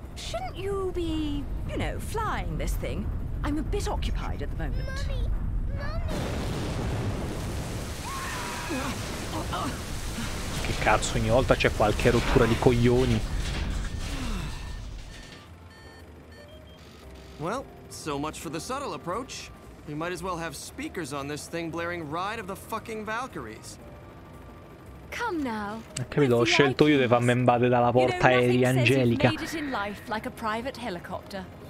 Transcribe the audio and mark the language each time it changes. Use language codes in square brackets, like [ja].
[en] Shouldn't you be, you know, flying this thing? I'm a bit occupied at the moment. [it] Che cazzo, ogni volta c'è qualche rottura di coglioni. [en] Well, so much for the subtle approach. We might as well have speakers on this thing blaring Ride of the fucking Valkyries. Come now. [it] Ho capito, ho scelto io di farmi imbattere dalla porta aerea angelica. [en] You know, nothing says you've made it in life like a private helicopter.